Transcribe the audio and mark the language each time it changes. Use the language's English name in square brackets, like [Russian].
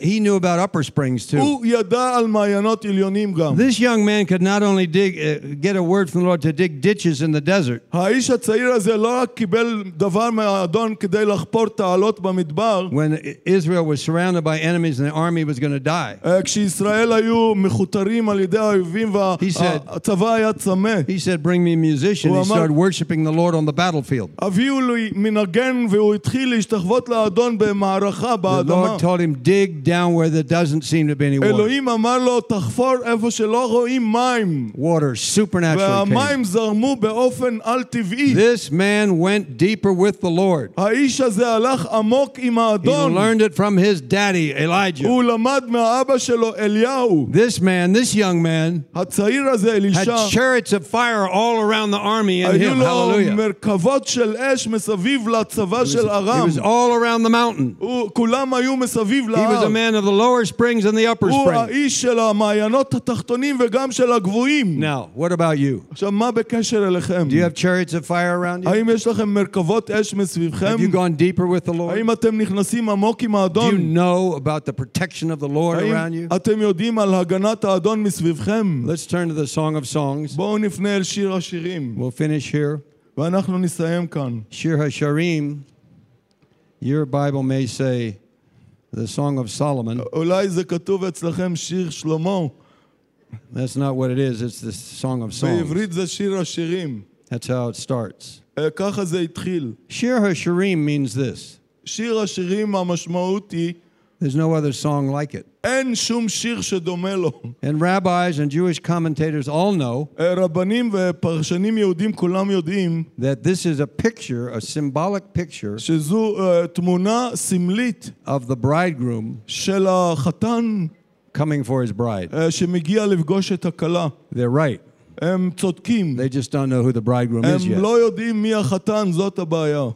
[English] He knew about upper springs too. This young man could not only get a word from the Lord to dig ditches in the desert. [Hebrew] האיש הצעיר הזה לא קיבל דבר מהאדון כדי לחפור תעלות במדבר. [English] When Israel was surrounded by enemies and the army was going to die. [Hebrew] כשישראל היו מחותרים על ידי האויבים והצבא היה צמא. [English] He said, bring me a musician. He started worshiping the Lord on the battlefield. [Hebrew] הביאו לו מנגן והוא התחיל להשתחוות לאדון במערכה באדמה. [English] The Lord told him, dig down where there doesn't seem to be any water. [Hebrew] אלוהים אמר לו, תחפור איפה שלא רואים מים. [English] Water supernaturally came. [Hebrew] והמים זרמו באופן אל-טבעי. [English] This man went deeper with the Lord. [Hebrew] האיש הזה הלך עמוק עם האדון. [English] He learned it from his daddy, Elijah. [Hebrew] הוא למד מהאבא שלו, אליהו. [English] This man, this young man, [Hebrew] הצעיר הזה, אלישע, [English] had chariots of fire all around the army and him. [Hebrew] הלו לו מרכבות של אש מסביב לצבא של ארם. [English] He was all around the mountain. [Hebrew] כולם היו מסביב להר. [English] He was a man of the lower springs and the upper springs. [Hebrew] הוא האיש של המעיינות התחתונים וגם של הגבוהים. [English] Now, what about you? [Hebrew] עכשיו, מה בקשר אליכם? [English] Do you have chariots of fire around you? [Hebrew] האם יש לכם מרכבות אש מסביבכם? [English] Have you gone deeper with the Lord? [Hebrew] האם אתם נכנסים עמוק עם האדון? [English] Do you know about the protection of the Lord around you? [Hebrew] האם אתם יודעים על הגנת האדון מסביבכם? [English] Let's turn to the Song of Songs. [Hebrew] בואו נפנה אל שיר השירים. [English] We'll finish here. [Hebrew] ואנחנו נסיים כאן. [English] שיר השירים, your Bible may say, the Song of Solomon. [Hebrew] אולי זה כתוב אצלכם שיר שלמה. [English] That's not what it is. It's the Song of Songs. [Hebrew] בעברית זה שיר השירים. [English] That's how it starts. [Hebrew] ככה זה התחיל. [English] שיר השירים means this. [Hebrew] שיר השירים המשמעות היא, [English] there's no other song like it. [Hebrew] אין שום שיר שדומה לו. [English] And rabbis and Jewish commentators all know, [Hebrew] רבנים ופרשנים יהודים כולם יודעים, [English] that this is a picture, a symbolic picture, [Hebrew] שזו תמונה סמלית, [English] of the bridegroom, [Hebrew] של החתן, [English] coming for his bride. [Hebrew] שמגיע לפגוש את הכלה. [English] They're right. [Hebrew] הם צודקים. [English] They just don't know who the bridegroom is yet. [Hebrew] הם לא יודעים מי החתן, זאת הבעיה.